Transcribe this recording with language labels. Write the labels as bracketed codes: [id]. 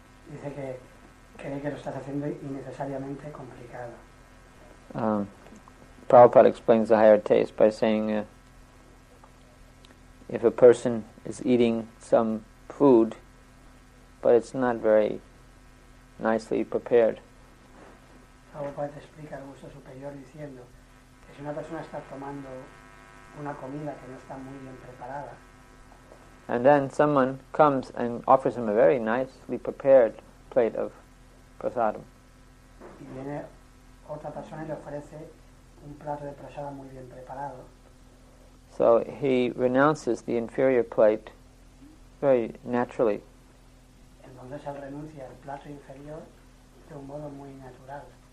[es] Dice que cree que lo estás haciendo innecesariamente complicado. [en] Prabhupada explains the higher taste by saying if a person is eating some food but it's not very nicely prepared. [es] Prabhupada explica el gusto superior diciendo que si una persona está tomando una comida que no está muy bien preparada. [en] And then someone comes and offers him a very nicely prepared plate of prasadam. [es] Y viene otra persona y le ofrece un plato de prasada muy bien preparado. [en] So he renounces the inferior plate very naturally. [es] Entonces él renuncia al plato inferior de un modo muy natural.